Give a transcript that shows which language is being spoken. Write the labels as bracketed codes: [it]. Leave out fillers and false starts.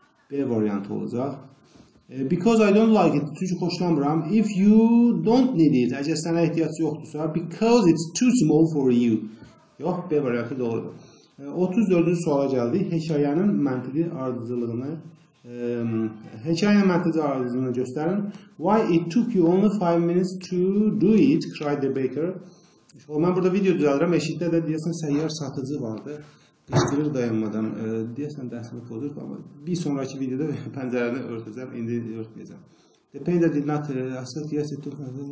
[az] B variantı olacaq. [en] Because I don't like it. [az] Çünki xoşlanmıram. [en] If you don't need it. [az] Əgər sənə ehtiyac yoxdursa. [en] Because it's too small for you. [az] Yox, B variantı doğrudur. 34-cü suala gəldi. Hekayənin məntiqi ardıcılığını göstərin. [en] Why it took you only 5 minutes to do it, cried the baker. [az] Mən burada video düzəldirəm. Eşiddə də deyəsən səyyar satıcı vardı. Qışqırır dayanmadan. Deyəsən dəhsini qodur. Bir sonraki videoda pəncərəni örtəcəm. İndi örtməyəcəm. [en] The painter did not ask, yes, it took me.